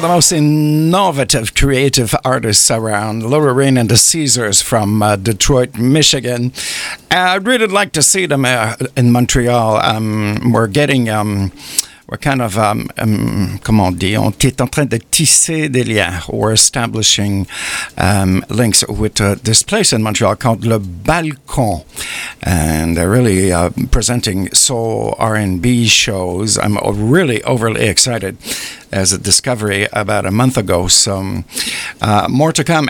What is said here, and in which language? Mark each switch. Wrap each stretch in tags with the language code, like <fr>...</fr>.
<en>Innovative, creative artists around, Laura Rain and the Caesars from Detroit, Michigan. I'd really like to see them in Montreal. We're getting</en> <fr>on est en train de tisser des liens.</fr> <en>We're establishing links with this place in Montreal called Le Balcon. And they're really presenting soul R&B shows. I'm really overly excited. As a discovery about a month ago, some more to come.</en>